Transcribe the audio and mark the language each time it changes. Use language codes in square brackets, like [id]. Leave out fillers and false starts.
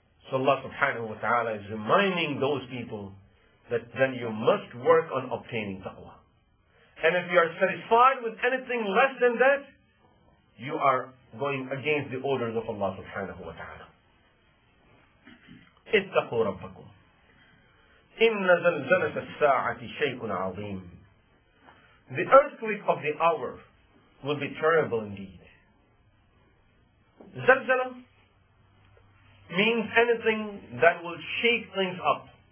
[en] So Allah subhanahu wa ta'ala is reminding those people that then you must work on obtaining taqwa. And if you are satisfied with anything less than that, you are going against the orders of Allah subhanahu wa ta'ala. [ar] اتقوا ربكم. إن زلزلة الساعة شيء عظيم. [en] The earthquake of the hour will be terrible indeed. زلزلة means anything that will shake things up.